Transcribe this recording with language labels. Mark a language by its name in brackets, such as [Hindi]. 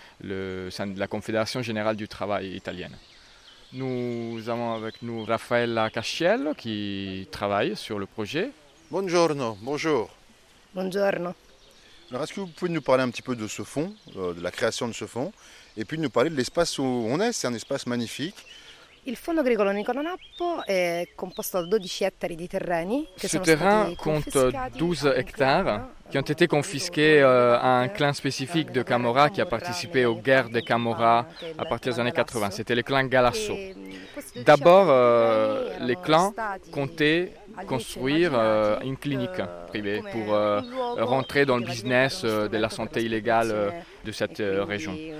[French] La Confédération Générale du Travail Italienne. Nous avons avec nous Raffaella Casciello qui travaille sur le projet. [Italian] Buongiorno, [French] bonjour. [Italian] Buongiorno. [French] Alors, est-ce que vous pouvez nous parler un petit peu de ce fonds, de la création de ce fonds, et puis nous parler de l'espace où on est? C'est un espace magnifique. [Italian] Il Fondo Agricolo Nicola Nappo è composto da 12 ettari di terreni. [French] Ce terrain compte 12 hectares qui ont été confisqués à un clan spécifique de Camorra qui a participé aux guerres des Camorra à partir des années 80. C'était le clan Galasso. D'abord, les clans comptaient construire une clinique privée pour rentrer dans le business de la santé illégale de cette région.